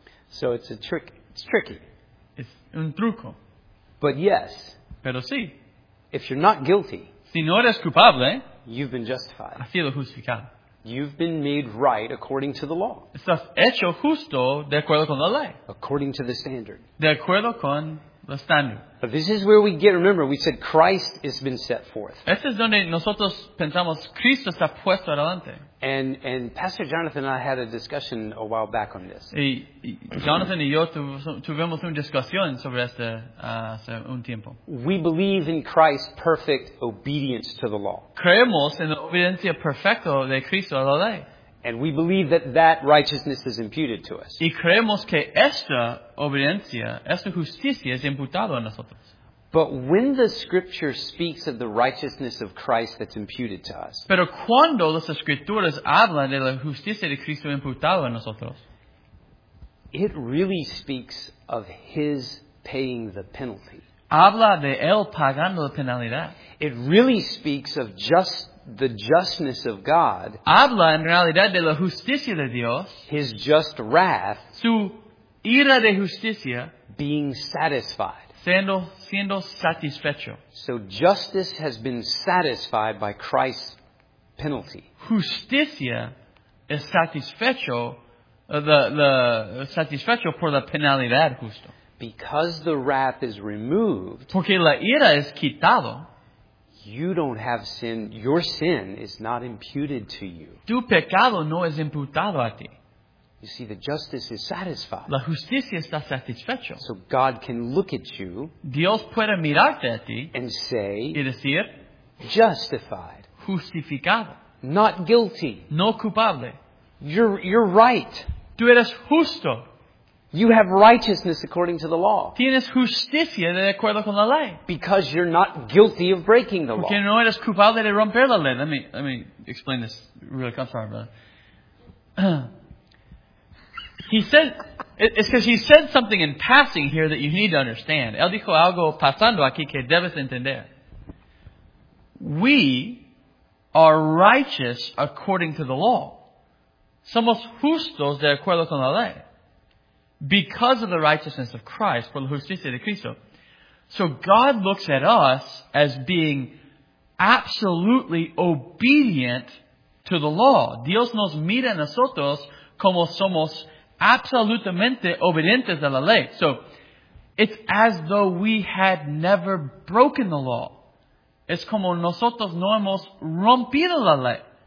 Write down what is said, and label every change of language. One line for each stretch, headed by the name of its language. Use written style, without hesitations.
English: So it's a trick. It's tricky. It's
Spanish: un truco.
English: But yes.
Spanish: Pero sí.
English: If you're not guilty.
Spanish: Si no eres culpable.
English: You've been justified.
Spanish: Ha sido justificado.
English: You've been made right according to the law.
Spanish: Estás hecho justo de acuerdo con la ley.
English: According to the standard.
Spanish: De acuerdo con la standard.
English: But this is where we get, remember, we said Christ has been set forth.
Spanish: Este es donde nosotros pensamos Cristo está puesto adelante.
English: And Pastor Jonathan and I had a discussion a while back on this.
Spanish: Y Jonathan y yo tuvimos una discusión sobre esto hace un tiempo.
English: We believe in Christ's perfect obedience to the law.
Spanish: Creemos en la obediencia perfecta de Cristo a la ley.
English: And we believe that that righteousness is imputed to us.
Spanish: Y creemos que esta obediencia, esta justicia es imputado a nosotros.
English: But when the scripture speaks of the righteousness of Christ that's imputed to us.
Spanish: Pero cuando las escrituras hablan de la justicia de Cristo imputado a nosotros.
English: It really speaks of his paying the penalty.
Spanish: Habla de él pagando la penalidad.
English: It really speaks of just the justness of God.
Spanish: Habla en realidad de la justicia de Dios.
English: His just wrath.
Spanish: Su ira de justicia.
English: Being satisfied.
Spanish: Siendo satisfecho.
English: So justice has been satisfied by Christ's penalty.
Spanish: Justicia es satisfecho, satisfecho por la penalidad justo.
English: Because the wrath is removed.
Spanish: Porque la ira es quitado.
English: You don't have sin. Your sin is not imputed to you.
Spanish: Tu pecado no es imputado a ti.
English: You see, the justice is satisfied.
Spanish: La justicia está satisfecho.
English: So God can look at you.
Spanish: Dios puede mirarte a ti.
English: And say.
Spanish: Y decir.
English: Justified.
Spanish: Justificado.
English: Not guilty.
Spanish: No culpable.
English: You're right.
Spanish: Tú eres justo.
English: You have righteousness according to the law.
Spanish: Tienes justicia de acuerdo con la ley.
English: Because you're not guilty of breaking the
Spanish: Porque
English: law.
Spanish: Porque no eres culpable de romper la ley.
English: Let me explain this really comfortable, brother. He said something in passing here that you need to understand.
Spanish: Él dijo algo pasando aquí que debes entender.
English: We are righteous according to the law.
Spanish: Somos justos de acuerdo con la ley.
English: Because of the righteousness of Christ,
Spanish: por la justicia de Cristo.
English: So God looks at us as being absolutely obedient to the law.
Spanish: Dios nos mira a nosotros como somos absolutamente obedientes a la ley.
English: So, it's as though we had never broken the law.
Spanish: Es como nosotros no hemos rompido la ley.